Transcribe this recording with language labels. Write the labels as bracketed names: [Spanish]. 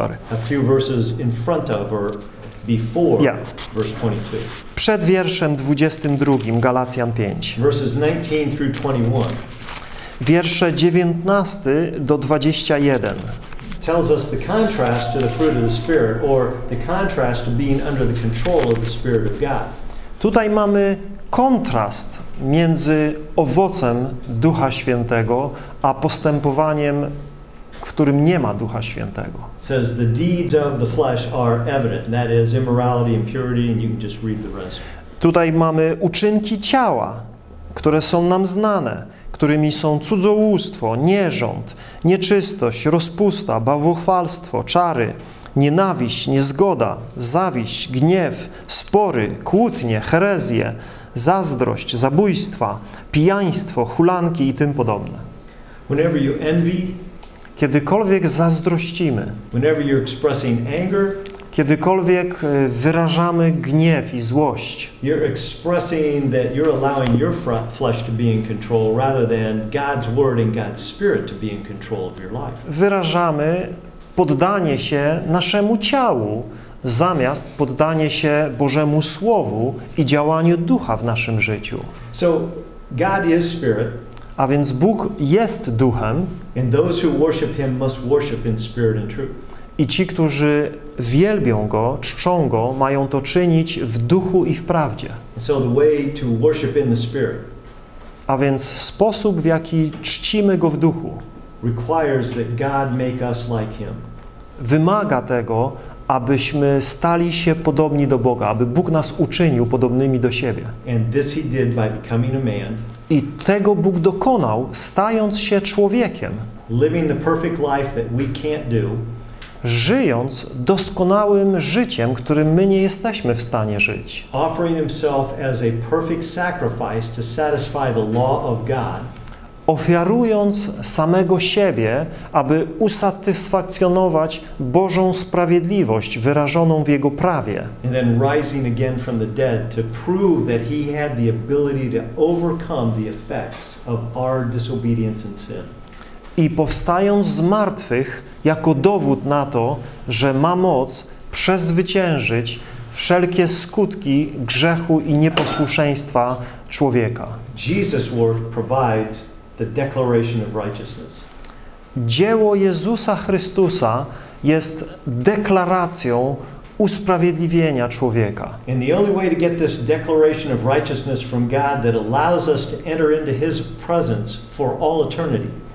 [English] A few verses in front of or before verse 22. [Polish] Przed wierszem 22 Galacjan 5. [English] Verses 19 through 21. [Polish] Wiersze 19 do 21. [English] Tells us the contrast to the fruit of the Spirit, or the contrast to being under the control of the Spirit of God. [Polish] Tutaj mamy kontrast między owocem Ducha Świętego a postępowaniem, w którym nie ma Ducha Świętego. [English] It says the deeds of the flesh are evident, that is immorality, impurity, and you can just read the rest. [Polish] Tutaj mamy uczynki ciała, które są nam znane, którymi są cudzołóstwo, nierząd, nieczystość, rozpusta, bałwochwalstwo, czary, nienawiść, niezgoda, zawiść, gniew, spory, kłótnie, herezje, zazdrość, zabójstwa, pijaństwo, hulanki i tym podobne. [English] Whenever you envy, [Polish] kiedykolwiek zazdrościmy, [English] whenever you're expressing anger, [Polish] kiedykolwiek wyrażamy gniew i złość, [English] you're expressing that you're allowing your flesh to be in control rather than God's word and God's spirit to be in control of your life. [Polish] Wyrażamy poddanie się naszemu ciału zamiast poddanie się Bożemu słowu i działaniu Ducha w naszym życiu. [English] So God is spirit. [Polish] A więc Bóg jest duchem. [English] And those who worship him must worship in spirit and truth. [Polish] I ci, którzy wielbią Go, czczą Go, mają to czynić w duchu i w prawdzie. [English] So the way to worship in the Spirit. [Polish] A więc sposób, w jaki czcimy Go w duchu, [English] requires that God make us like Him. [Polish] Wymaga tego, abyśmy stali się podobni do Boga, aby Bóg nas uczynił podobnymi do siebie. [English] And this He did by becoming a man. [Polish] I tego Bóg dokonał, stając się człowiekiem. [English] Living the perfect life that we can't do. [Polish] Żyjąc doskonałym życiem, którym my nie jesteśmy w stanie żyć. [English] Offering himself as a perfect sacrifice to satisfy the law of God. [Polish] ofiarując samego siebie, aby usatysfakcjonować Bożą sprawiedliwość wyrażoną w Jego prawie. [English] And then rising again from the dead to prove that he had the ability to overcome the effects of our disobedience and sin. [Polish] I powstając z martwych jako dowód na to, że ma moc przezwyciężyć wszelkie skutki grzechu i nieposłuszeństwa człowieka. [English] Jesus work provides the declaration of righteousness. [Polish] Dzieło Jezusa Chrystusa jest deklaracją usprawiedliwienia człowieka. [English] And the only way to get this declaration of righteousness from God that allows us to enter into his presence for all eternity.